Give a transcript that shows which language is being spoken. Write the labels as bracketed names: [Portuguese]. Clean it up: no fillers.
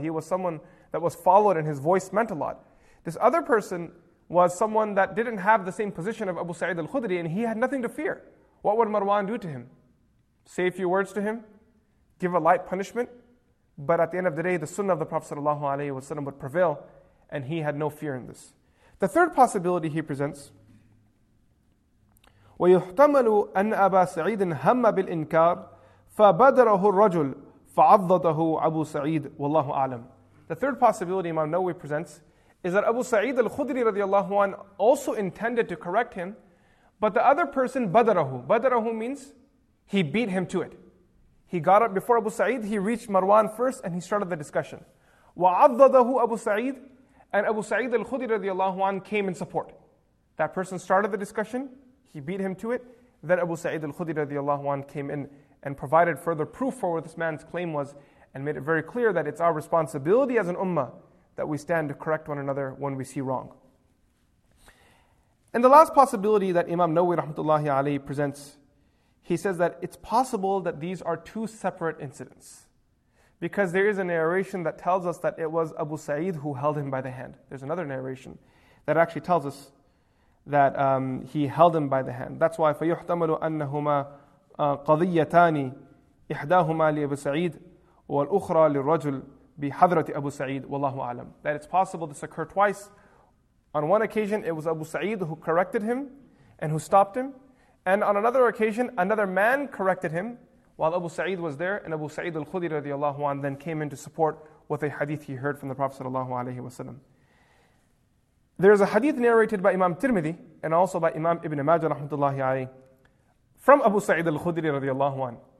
[English] He was someone that was followed and his voice meant a lot. This other person was someone that didn't have the same position of Abu Sa'id al-Khudri and he had nothing to fear. What would Marwan do to him? Say a few words to him? Give a light punishment? But at the end of the day, the sunnah of the Prophet ﷺ would prevail and he had no fear in this. The third possibility he presents, [Arabic] وَيُحْتَمَلُ أَنَّ أَبَا سَعِيدٍ هَمَّ بِالْإِنْكَارِ فَبَدَرَهُ الرَّجُلْ فَعَضَّدَهُ أَبُو سَعِيدٍ وَاللَّهُ أَعْلَمُ. [English] The third possibility Imam Nawawi presents is that Abu Sa'id al-Khudri radiallahu anhu also intended to correct him, but the other person, badarahu. Badarahu means he beat him to it. He got up before Abu Sa'id, he reached Marwan first and he started the discussion. [Arabic] وَعَضَّدَهُ أَبُو سَعِيدٍ, [English] and Abu Sa'id al-Khudri radiallahu anhu came in support. That person started the discussion, he beat him to it, then Abu Sa'id al-Khudri radiallahu anhu came in and provided further proof for what this man's claim was and made it very clear that it's our responsibility as an ummah that we stand to correct one another when we see wrong. And the last possibility that Imam Nawawi rahmatullahi alayhi presents, he says that it's possible that these are two separate incidents. Because there is a narration that tells us that it was Abu Sa'id who held him by the hand. There's another narration that actually tells us that he held him by the hand. That's why [Arabic] فَيُحْتَمَلُ أَنَّهُمَا قَضِيَّتَانِ إِحْدَاهُمَا لِأَبُو سَعِيدٍ وَالْأُخْرَى لِلرَّجُلِ بِحَضْرَةِ أَبُو سَعِيدٍ وَاللَّهُ أَعْلَمُ. [English] That it's possible this occurred twice. On one occasion, it was Abu Sa'id who corrected him and who stopped him. And on another occasion, another man corrected him while Abu Sa'id was there, and Abu Sa'id al-Khudri radiallahu anhu then came in to support with a hadith he heard from the Prophet sallallahu alaihi wasallam. There is a hadith narrated by Imam Tirmidhi and also by Imam Ibn Majah rahmatullahi alayhi from Abu Sa'id al-Khudri radiyallahu an.